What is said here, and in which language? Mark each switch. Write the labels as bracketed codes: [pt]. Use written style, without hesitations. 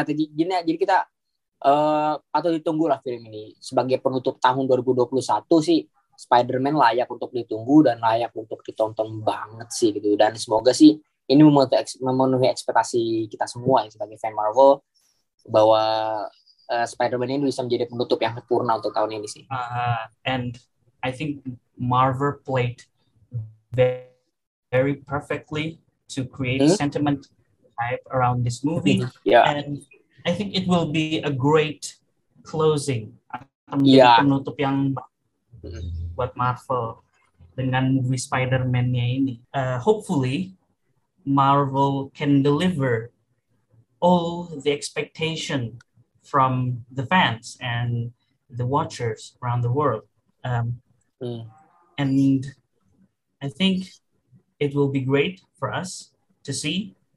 [id] Jadi kita patut ditunggu lah film ini sebagai penutup tahun 2021 sih. Spider-Man layak untuk ditunggu dan layak untuk ditonton banget sih gitu. Dan semoga sih ini memenuhi ekspektasi kita semua ya, sebagai fan Marvel, bahwa Spider-Man ini bisa menjadi penutup yang sempurna untuk tahun ini sih. [en] And I think Marvel played very perfectly to create sentiment hype around this movie. And I think it will be a great closing. [id] Menjadi penutup yang buat Marvel dengan movie Spider-Man-nya ini. [en] Hopefully Marvel can deliver all the expectation from the fans and the watchers around the world. And I think it will be great for us to see.